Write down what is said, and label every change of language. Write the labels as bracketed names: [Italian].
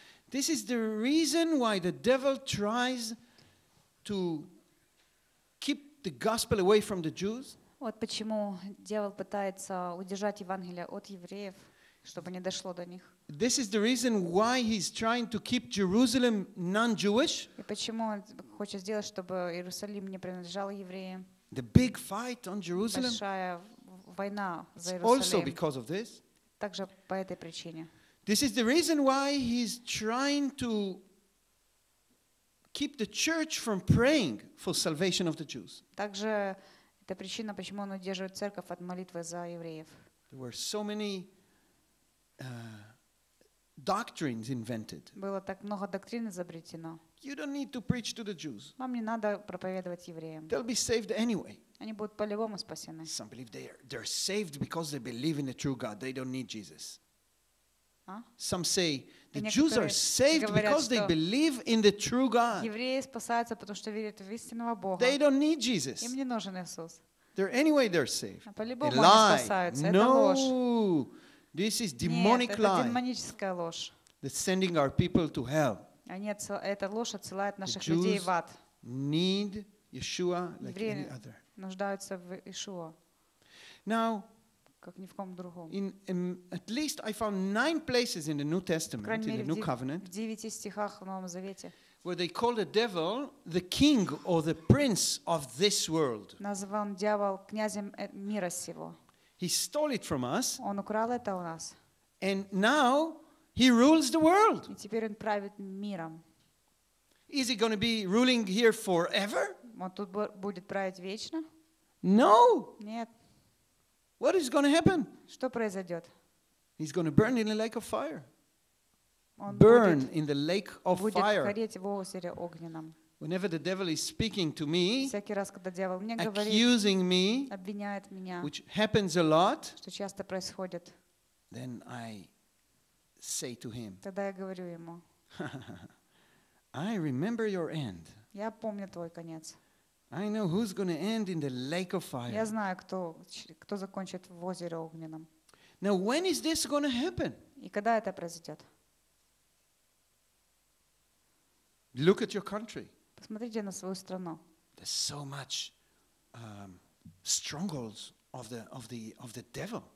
[English] This is the reason why the devil tries to keep the gospel away from the Jews. [Russian] Вот почему дьявол пытается удержать Евангелие от евреев, чтобы не дошло до них. [English] This is the reason why he's trying to keep Jerusalem non-Jewish. [Russian] И почему он хочет сделать, чтобы Иерусалим не принадлежал евреям. [English] The big fight on Jerusalem. [Russian] Большая война за Иерусалим. [English] Also because of this. [Russian] Также по этой причине. [English] This is the reason why he's trying to keep the church from praying for salvation of the Jews. [Russian] Также это причина, почему он удерживает церковь от молитвы за евреев. [English] There were so many doctrines invented. [Russian] Было так много доктрин изобретено. [English] You don't need to preach to the Jews. [Russian] Вам не надо проповедовать евреям. [English] They'll be saved anyway. [Russian] Они будут по-любому спасены. [English] Some believe they're saved because they believe in the true God. They don't need Jesus. Some say the Jews are saved because they believe in the true God. [Russian] Евреи спасаются, потому что верят в истинного Бога. [English] They don't need Jesus. [Russian] Им не нужен Иисус. [English] They're anyway they're saved. [Russian] По-любому они спасаются. Это ложь. [English] This is demonic lie. [Russian] Нет, это демоническая ложь. [English] That's sending our people to hell. [Russian] Эта ложь отсылает наших людей в ад. [English] Need Yeshua like any other. [Russian] Нуждаются в Иешуа. [English] Now, [Russian] как ни в ком другом. [English] In at least I found 9 places in the New Testament, in the New Covenant, [Russian] в 9 стихах в Новом Завете, [English] where they call the devil the king or the prince of this world. [Russian] Назван дьявол князем мира сего. [English] He stole it from us. [Russian] Он украл это у нас. [English] And now he rules the world. [Russian] И теперь он правит миром. [English] Is he going to be ruling here forever? [Russian] Он тут будет править вечно? [English] No. [Russian] Нет. [English] What is going to happen? [Russian] Что произойдет? [English] He's going to burn in the lake of fire. Burn in the lake of fire. [Russian] Будет гореть в озере огненном. [English] Whenever the devil is speaking to me, [Russian] всякий раз, когда дьявол мне говорит, [English] accusing me, [Russian] обвиняет меня, [English] which happens a lot, [Russian] что часто происходит, [English] then I say to him, [Russian] тогда я говорю ему, [English] I remember your end. [Russian] Я помню твой конец. [English] I know who's going to end in the lake of fire. [Russian] Я знаю, кто закончит в озере огненном. [English] Now, when is this going to happen? [Russian] И когда это произойдет? [English] Look at your country. [Russian] Посмотрите на свою страну. [English] There's so much strongholds of the devil.